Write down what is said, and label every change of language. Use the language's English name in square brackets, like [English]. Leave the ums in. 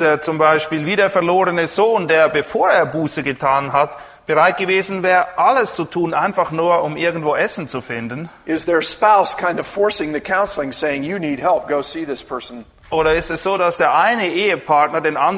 [German] er zum Beispiel wie der verlorene Sohn, der bevor er Buße getan hat, bereit gewesen wäre, alles zu tun, einfach nur um irgendwo Essen zu finden? [English] Is their spouse kind of forcing the counseling, saying, "You need help. Go see this person." [German] ist es so, dass der eine Ehepartner den